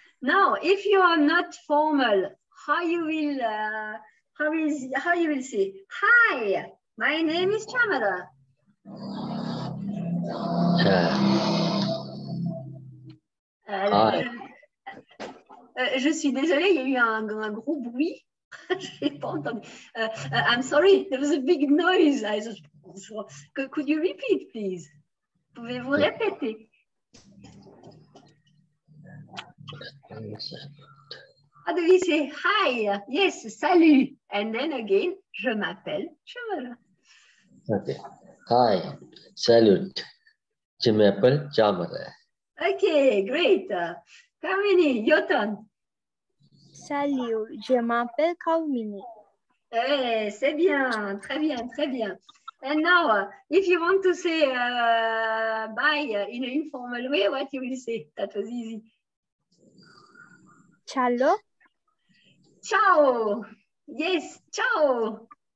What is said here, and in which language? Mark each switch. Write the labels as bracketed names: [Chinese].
[English] Now, if you are not formal, how you will say, hi, my name is Shamara. [French] Je suis désolée, il y a eu un gros bruit. J'ai pas entendu. [English] I'm sorry, there was a big noise. I just, bonjour. Could you repeat, please? [French] Pouvez-vous répéter? [English] How do we say hi? Yes, salut. And then again, [French] je m'appelle Shamara. Okay. Hi, salut. Je m'appelle Shamara. [English] Okay, great. Kamini, your turn. [French] Salut, je m'appelle Kamini. Eh, hey, c'est bien, très bien, très bien. [English] And now, if you want to say bye in an informal way, what you will say? That was easy. [Italian] Ciao. Ciao. Yes, ciao.